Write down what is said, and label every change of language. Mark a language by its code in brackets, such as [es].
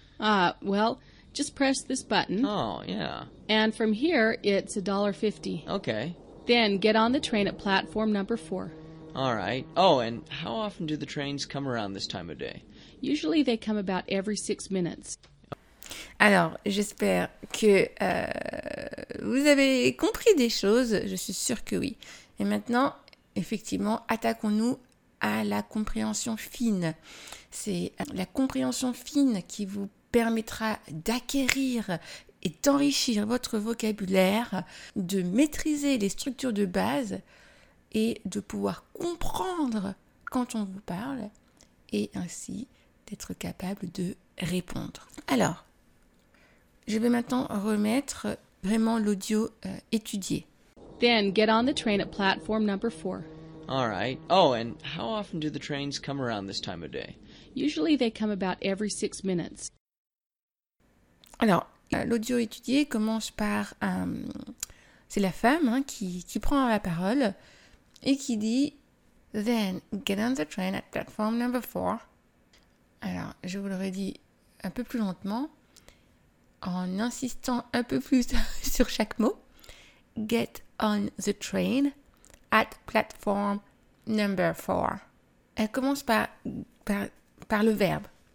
[en] Well, just press this button. Oh, yeah. And from here, it's $1.50. Okay. Then get on the train at platform number 4. All right. Oh, and how often do the trains come around this time of day? Usually they come about every 6 minutes. [fr] Alors, j'espère que vous avez compris des choses. Je suis sûre que oui. Et maintenant, effectivement, attaquons-nous à la compréhension fine. C'est la compréhension fine qui vous permettra d'acquérir et d'enrichir votre vocabulaire, de maîtriser les structures de base et de pouvoir comprendre quand on vous parle, et ainsi d'être capable de répondre. Alors, je vais maintenant remettre vraiment l'audio étudié. [en] Then get on the train at platform number 4. All right. Oh, and how often do the trains come around this time of day? Usually they come about every 6 minutes. [fr] Alors, l'audio étudié commence par... c'est la femme qui prend la parole... Et qui dit, [en] then get on the train at platform number 4. [fr] Alors, je vous l'aurais dit un peu plus lentement, en insistant un peu plus sur chaque mot. [en] Get on the train at platform number 4. [fr] Elle commence par le verbe.